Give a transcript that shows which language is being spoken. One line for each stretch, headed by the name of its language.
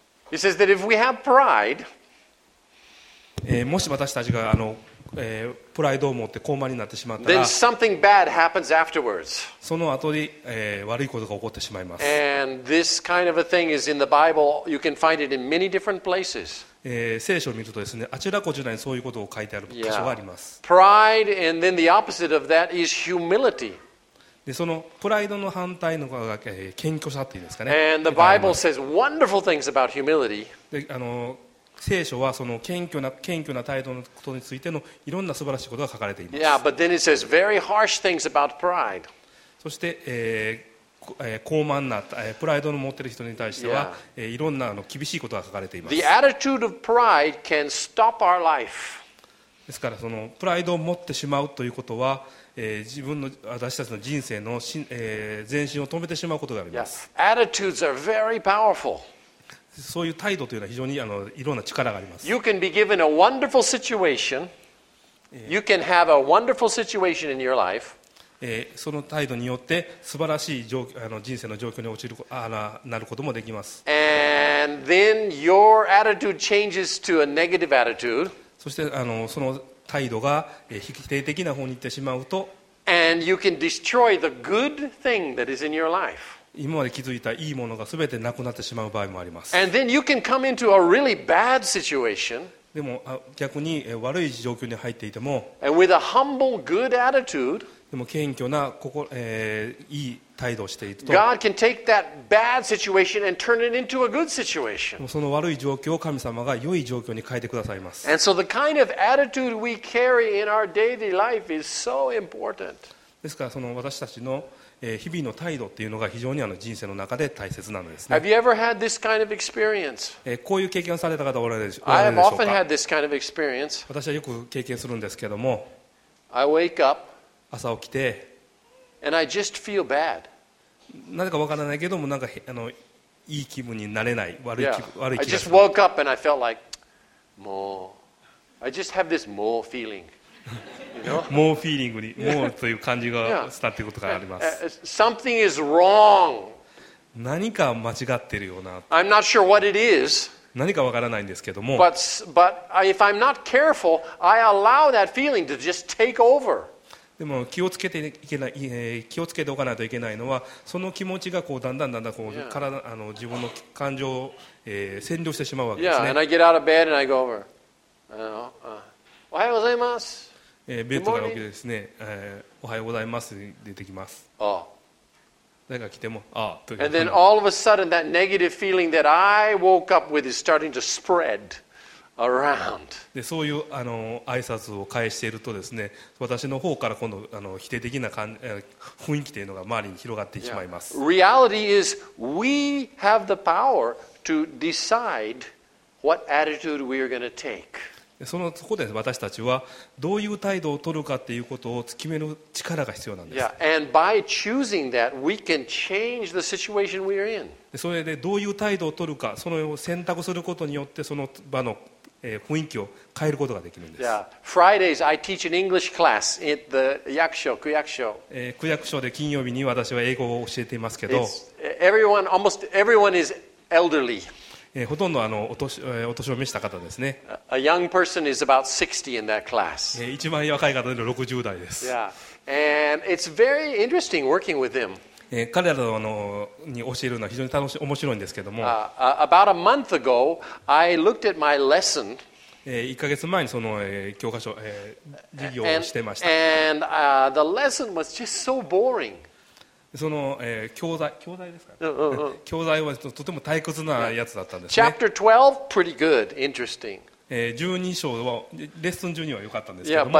English: He says that if we have pride,
Japanese: もし私たちがプライドを持って高慢になってしまったら、
English: then something bad happens afterwards.
Japanese: その後に、悪いことが起こってしまいます。
English: And this kind of a thing is in the Bible. You can find it in many different places.
Japanese: 聖書を見るとですね、あちらこちらにそういうことを書いてある箇所があります。
English: Yeah. Pride, and then the opposite of that is humility.
Japanese: で、そのプライドの反対のが、謙虚さっていうんですかね。
English: And the Bible says wonderful things about humility.
Japanese: で、聖書はその謙虚な態度のことについてのいろんな素晴らしいことが書かれています。
English: Yeah, but then it says very harsh things about pride.
Japanese: そして、高慢なプライドの持っている人に対しては、いろんな厳しいことが書かれています。
English: The attitude of pride can stop our life.
Japanese: ですから、そのプライドを持ってしまうということは、自分の私たちの人生の前進を止めてしまうことがあります。
English: Yes. Attitudes are very powerful.
Japanese: そういう態度というのは非常にいろんな力があります。
English: You can be given a wonderful situation. You can have a wonderful situation in your life.
Japanese: その態度によって素晴らしい状況、あの人生の状況に落ちる、なることもできます。
English: And then your attitude changes to a negative attitude.
Japanese: そしてその態度が否定的な方に行ってしまうと、
English: And you can destroy the good thing that is in your life.
Japanese: 今まで気づいたいいものが全てなくなってしまう場合もあります。
English: And then you can come into a really bad situation.
Japanese: でも逆に悪い状況に入っていても
English: And with a humble, good attitude,
Japanese: でも謙虚な心、いい態度をしていると
English: God can take that bad situation and turn it into a good situation.
Japanese: その悪い状況を神様が良い状況に変えてくださいます。
English: And so the kind of attitude we carry in our daily life is so important.
Japanese: ですからその私たちの日々の態度というのが非常に人生の中で大切なのですね。
English: Have you ever had this kind of experience?
Japanese: こういう経験をされた方おられるでしょうか?
English: I have often had this kind of experience.
Japanese: 私はよく経験するんですけども、
English: I wake up,
Japanese: 朝起きて、
English: and I just feel bad.
Japanese: なぜかわからないけども、なんかいい気分になれない、悪い気分、
English: I just woke up and I felt like,
Japanese: もう、
English: I just have this more feeling.
Japanese: もうフィーリングに、もうという感じが伝っていることがあります。
English: Something is wrong.
Japanese: 何か間違ってるような。
English: I'm not sure what it is.
Japanese: 何かわからないんですけども。
English: But if I'm not careful, I allow that feeling to just take over.
Japanese: でも気をつけていけない、気をつけておかないといけないのは、その気持ちがこうだんだんだんだんこう、yeah. 自分の感情を、占領してしまうわけですね。
English: Yeah, and I get out of bed and I go over.
Japanese: おはようございます。ベッドから起きてですね、おはようございますに出てきます。ああ。誰か来ても、ああ。という
English: And then all of a sudden that negative feeling that I woke up with is starting to spread around.
Japanese: で、そういう挨拶を返しているとですね、私の方から今度否定的な雰囲気というのが周りに広がってしまいます。
English: Yeah. Reality is we have the power to decide what attitude we are going to take.
Japanese: そのそこで私たちはどういう態度を取るかということを決める力が必要なんです。
English: Yeah, and by choosing that, we can change the situation we are in.
Japanese: それでどういう態度を取るか、それを選択することによってその場の雰囲気を変えることができるんです。
English: Yeah, Fridays I teach an English class at the 役所区役所。
Japanese: 区役所で金曜日に私は英語を教えていますけど、
English: everyone almost everyone is elderly.
Japanese: ほとんどお年を召した方ですね。
English: A young person is about 60 in that class.
Japanese: 一番若い方で60代です。
English: Yeah. And it's very interesting working with them.
Japanese: 彼らに教えるのは非常に楽しい、面白いんですけども。
English: About a month ago, I looked at my lesson.
Japanese: 1ヶ月前にその教科書、授業をしてました。
English: And the lesson was just so boring.
Japanese: その教材ですか、ね、教材はとても退屈なやつだったんですね。
English: Chapter 12, pretty good, interesting.
Japanese: 12章はレッスン12は良かったんですけども